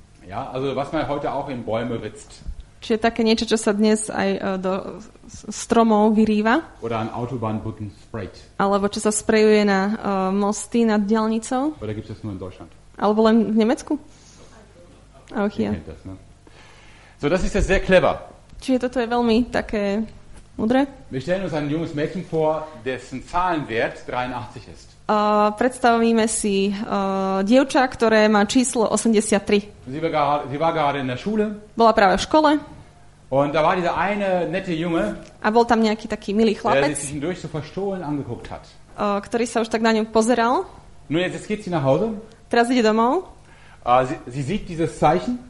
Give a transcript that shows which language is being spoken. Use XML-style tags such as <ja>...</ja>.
<de>Ja, also was man heute auch in Bäume ritzt.</de> <sk>Čiže také niečo, čo sa dnes aj do stromov vyrýva.</sk> <de>Oder an Autobahnbrücken sprayt.</de> <sk>Alebo čo sa sprejuje na mosty nad diaľnicou.</sk> <de>Oder gibt es nur in Deutschland.</de> <sk>Alebo len v Nemecku?</sk> <de>Auch hier. So, das ist ja sehr clever.</de> <sk>Čiže toto je veľmi také múdre.</sk> <de>My stellen uns ein junges Mädchen vor, dessen Zahlenwert 83 ist.</de> <sk>Predstavíme si dievča, ktoré má číslo 83.</sk> <de>Sie war gerade in der Schule.</de> <sk>Bola práve v škole.</sk> <de>Und da war dieser eine nette Junge.</de> <sk>A bol tam nejaký taký milý chlapec.</sk> <de>Der sich ihn durch so verstohlen angeguckt hat.</de> <sk>Ktorý sa už tak na ňu pozeral.</sk> <de>No jetzt geht sie nach Hause.</de> <sk>Teraz ide domov.</sk> <de>Sie sieht dieses Zeichen.</de>